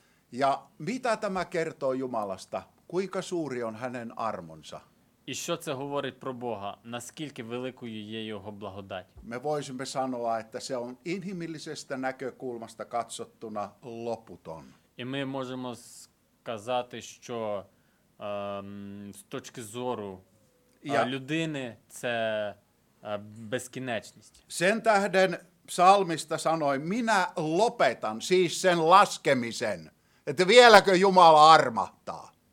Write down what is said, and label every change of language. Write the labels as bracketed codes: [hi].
[fi] Ja mitä tämä kertoo Jumalasta? Kuinka suuri on hänen armonsa? [uk] І що це говорить про Бога? Наскільки великою є його благодать? [fi] Me voisimme sanoa, että se on inhimillisestä näkökulmasta katsottuna loputon. [uk] І ми можемо сказати, що з точки зору людини це безкінечність. [fi] Sen tähden psalmista sanoi, minä lopetan siis sen laskemisen, että vieläkö Jumala armahtaa?